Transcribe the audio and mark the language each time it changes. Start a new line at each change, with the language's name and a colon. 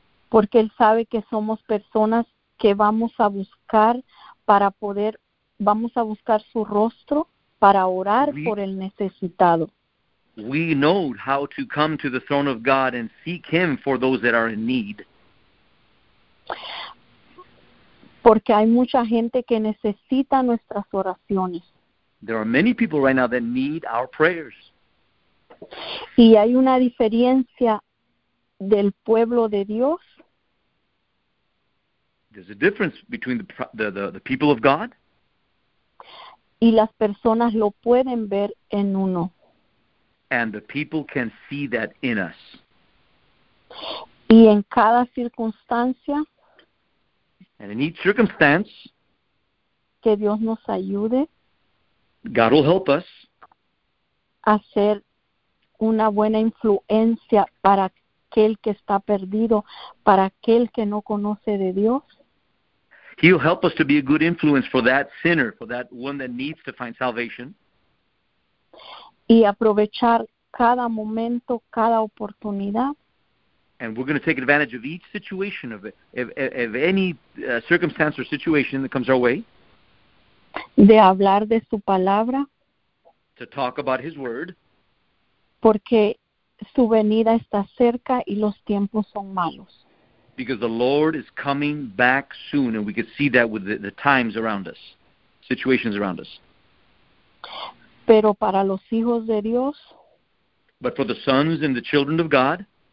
Spanish: Porque él sabe que somos personas que vamos a buscar para poder, vamos a buscar su rostro para orar por el necesitado.
English: We know how to come to the throne of God and seek him for those that are in need.
Spanish: Porque hay mucha gente que necesita nuestras oraciones.
English: There are many people right now that need our prayers.
Spanish: Y hay una diferencia del pueblo de Dios.
English: There's a difference between the people of God.
Spanish: Y las personas lo pueden ver en uno.
English: And the people can see that in us.
Spanish: Y en cada circunstancia.
English: And in each circumstance.
Spanish: Que Dios nos ayude.
English: God will help us.
Spanish: Hacer una buena influencia para aquel que está perdido, para aquel que no conoce de Dios.
English: He'll help us to be a good influence for that sinner, for that one that needs to find salvation.
Spanish: Y aprovechar cada momento, cada oportunidad.
English: And we're going to take advantage of each situation, of any circumstance or situation that comes our way.
Spanish: De hablar de su palabra.
English: To talk about his word.
Spanish: Porque su venida está cerca y los tiempos son malos.
English: Because the Lord is coming back soon, and we can see that with the times around us, situations around us.
Spanish: Pero para los hijos de Dios,
English: but for the sons and the children of God,